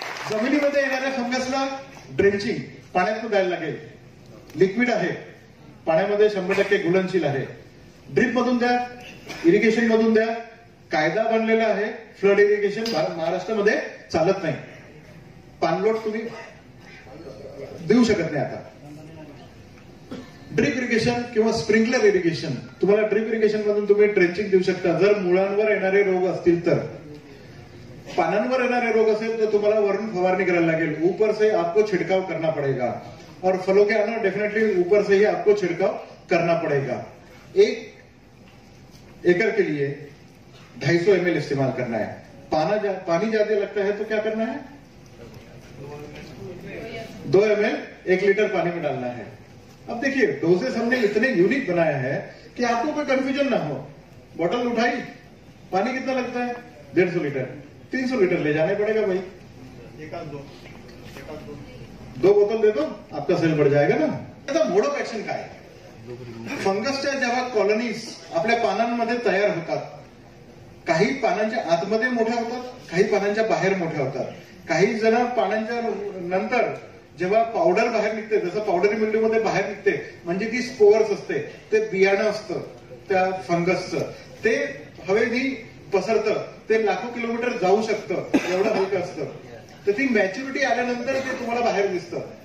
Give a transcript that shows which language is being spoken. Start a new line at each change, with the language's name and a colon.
Marathi: जमीनी मध्ये येणाऱ्या फंगसला ड्रेंचिंग, पाण्यात द्यायला लागेल, लिक्विड आहे पाण्यामध्ये, 100% घुलनशील आहे, ड्रिप मधून द्या, इरिगेशन मधून द्या, कायदा बनलेला आहे, फ्लड इरिगेशन महाराष्ट्रामध्ये चालत नाही, पानलोट तुम्ही देऊ शकत नाही आता। ड्रिप इरिगेशन किंवा स्प्रिंकलर इरिगेशन, तुम्हाला ड्रिप इरिगेशन मधून तुम्ही ट्रेंचिंग देऊ शकता, जर मुळांवर येणारे रोग असतील तर। पानांवर येणारे रोग असेल तर तुम्हाला वरून फवारणी करायला लागेल,
Hindi: ऊपर से आपको छिड़काव करना पड़ेगा, और फलों के अंदर डेफिनेटली ऊपर से ही आपको छिड़काव करना पड़ेगा। एक एकड़ के लिए 250 ml इस्तेमाल करना है। पानी ज्यादा लगता है तो क्या करना है, 2 ml 1 लीटर पानी में डालना है। अब देखिए, डोसेस हमने इतने यूनिक बनाया है कि आपको कोई कंफ्यूजन ना हो। बोतल उठाई, पानी कितना लगता है, 150 लीटर, 300 लीटर ले जाने पड़ेगा भाई, एक दो बोतल दे दो, आपका सेल बढ़ जाएगा ना। तो मोड ऑफ एक्शन का है,
Marathi: फंगस चे जेव्हा कॉलोनीज अपने पानांमध्ये तैयार होता, काही पानांच्या आतमध्ये मोठ्या होतात, काही पानांच्या बाहेर मोठ्या होतात, काही जण पानांच्या नंतर जेव्हा पावडर बाहेर निघते, जसं पावडरी मिल्ड्यू मध्ये बाहेर निघते, म्हणजे ती स्पोअर्स असते, ते बियाणं असतं त्या फंगसचं, ते हवेनी पसरतं, ते लाखो किलोमीटर जाऊ शकतं, एवढं हलकं असतं, तर ती मॅच्युरिटी आल्यानंतर ते तुम्हाला बाहेर दिसतं।